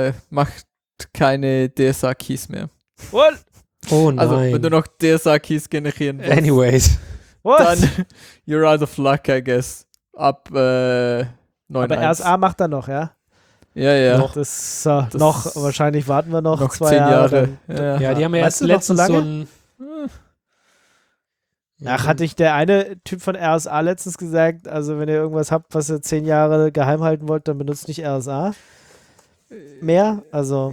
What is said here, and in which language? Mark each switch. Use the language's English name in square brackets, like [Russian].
[German] macht keine DSA-Keys mehr. [English] What? [German] Oh nein. Also, wenn du noch DSA-Keys generieren willst. [English] Anyways. What? [German] Dann, [English] you're out of luck, I guess. [German] Ab 9.1. Aber RSA macht er noch, ja? Ja, ja. Noch, das noch wahrscheinlich warten wir noch 2 Jahre. Ja, ja, die haben ja erst letztens so ein... Ach, hatte ich der eine Typ von RSA letztens gesagt, also wenn ihr irgendwas habt, was ihr 10 Jahre geheim halten wollt, dann benutzt nicht RSA mehr, also...